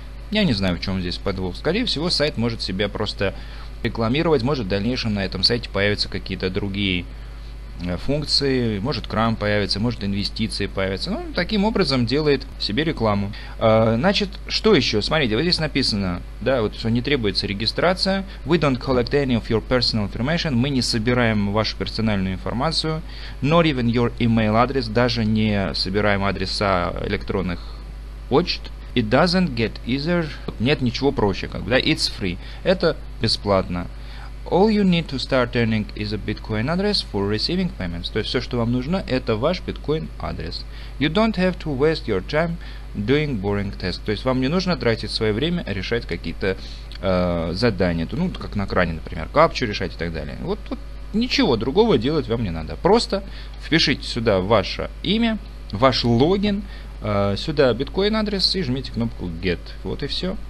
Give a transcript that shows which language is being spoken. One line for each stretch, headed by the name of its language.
Russian: Я не знаю, в чем здесь подвох. Скорее всего, сайт может себя просто рекламировать, может в дальнейшем на этом сайте появятся какие-то другие функции, может крам появится, может инвестиции появятся. Ну, таким образом делает себе рекламу. Значит, что еще? Смотрите, вот здесь написано, да, вот что не требуется регистрация.
English: We don't collect any of your personal information.
Russian: Мы не собираем вашу персональную информацию.
English: Not even your email address.
Russian: Даже не собираем адреса электронных почт.
English: It doesn't get easier.
Russian: Нет ничего проще, как бы, да,
English: it's free.
Russian: Это бесплатно.
English: All you need to start earning is a Bitcoin address for receiving payments.
Russian: То есть все, что вам нужно, это ваш Bitcoin адрес.
English: You don't have to waste your time doing boring tasks.
Russian: То есть вам не нужно тратить свое время решать какие-то задания. Ну, как на кране, например, капчу решать и так далее. Вот ничего другого делать вам не надо. Просто впишите сюда ваше имя, ваш логин, сюда биткоин адрес и жмите кнопку Get. Вот и все.